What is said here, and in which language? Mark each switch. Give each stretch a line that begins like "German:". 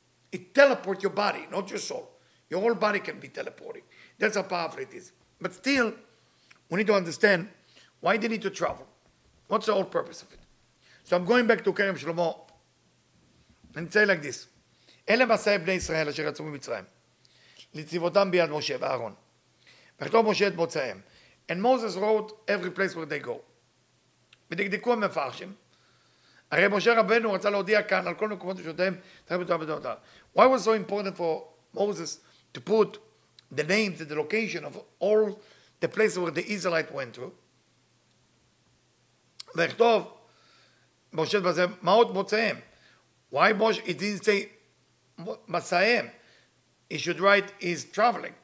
English: It teleports your body, not your soul. Your whole body can be teleported. That's how powerful it is. But still, we need to understand why they need to travel. What's the whole purpose of it? So I'm going back to Kerem Shlomo and say like this.
Hebrew: אלה מעשי בני ישראל אשר יצאו ממצרים, לצוותם ביד משה ואהרון. וכתוב משה את מוצאיהם.
English: And Moses wrote every place where they go.
Hebrew: ודקדקו המפרשים. הרי משה רבנו רצה להודיע כאן על כל מקומות ושותיהם.
English: Why was so important for Moses to put the names and the location of all the places where the Israelites went to?
Hebrew: וכתוב משה את מוצאיהם. מה עוד מוצאיהם?
English: Why Moses, it didn't say Masayim, he should write his traveling.